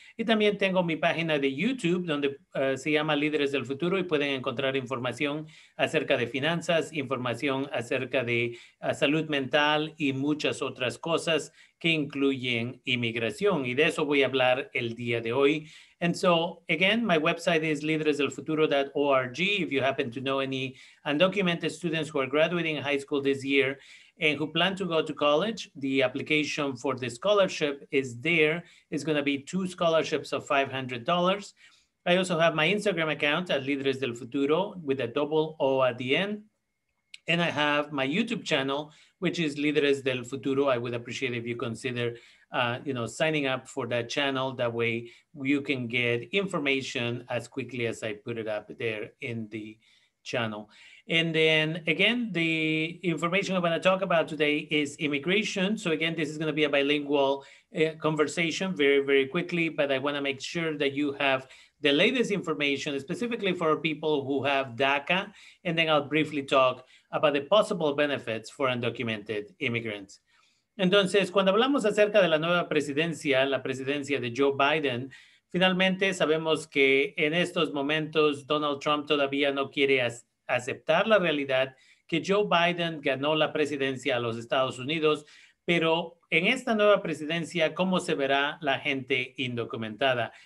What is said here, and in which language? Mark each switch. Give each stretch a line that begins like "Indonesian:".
Spanish: Y también tengo mi página de YouTube, donde se llama Líderes del Futuro, y pueden encontrar información acerca de finanzas, información acerca de salud mental y muchas otras cosas que incluyen inmigración. Y de eso voy a hablar el día de hoy.
English: And so, again, my website is líderesdelfuturo.org. If you happen to know any undocumented students who are graduating high school this year and who plan to go to college, the application for the scholarship is there. It's going to be two scholarships of $500. I also have my Instagram account at Líderes del Futuro with a double O at the end. And I have my YouTube channel, which is Líderes del Futuro. I would appreciate if you consider, signing up for that channel. That way you can get information as quickly as I put it up there in the channel. And then again, the information I want to talk about today is immigration. So again, this is going to be a bilingual conversation very, very quickly, but I want to make sure that you have the latest information, specifically for people who have DACA. And then I'll briefly talk about the possible benefits for undocumented immigrants.
Spanish: Entonces, cuando hablamos acerca de la nueva presidencia, la presidencia de Joe Biden, finalmente sabemos que en estos momentos Donald Trump todavía no quiere aceptar la realidad que Joe Biden ganó la presidencia a los Estados Unidos, pero en esta nueva presidencia, ¿cómo se verá la gente indocumentada?